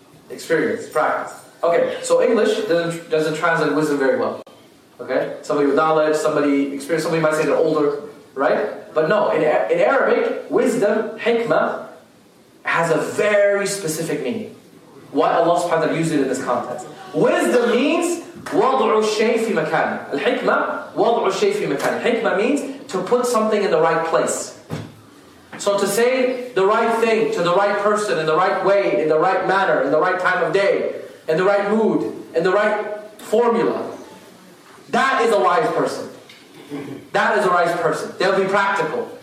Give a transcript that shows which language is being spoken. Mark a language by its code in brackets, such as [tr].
[en] Experience, practice. Okay, so English doesn't translate wisdom very well. Okay? Somebody with knowledge, somebody experience, somebody might say they're older, right? But no, in Arabic, wisdom, hikmah, has a very specific meaning. Why Allah subhanahu wa ta'ala used it in this context. Wisdom means [ar] وَضْعُ الشَّيْءِ فِي مَكَانِ. الْحِكْمَةِ وَضْعُ الشَّيْءِ فِي مَكَانِ. [en] Hikmah means to put something in the right place. So to say the right thing to the right person in the right way, in the right manner, in the right time of day, in the right mood, in the right formula. That is a wise person. That is a wise person. They'll be practical.